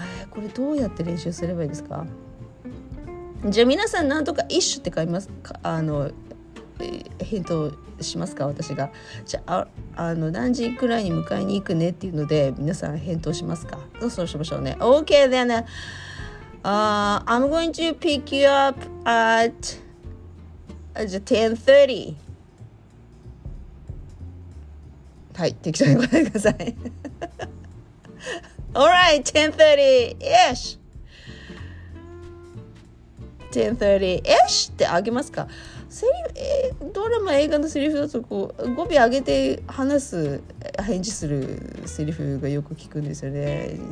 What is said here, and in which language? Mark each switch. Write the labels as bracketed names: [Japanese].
[Japanese] これどうやって練習すればいいですか。じゃあ皆さん何とか一種って書いますか、あの返答しますか。私がじゃ あ, あの何時くらいに迎えに行くねっていうので皆さん返答しますか。そうしましょうね。 [English] OK then、I'm going to pick you up at 10:30。 [Japanese] はい、適当にご覧ください。 [English] Alright, 10:30 ish、10:30-ish ってあげますか。 [Japanese] セリフ、ドラマ映画のセリフだとこう語尾上げて話す返事するセリフがよく聞くんですよね。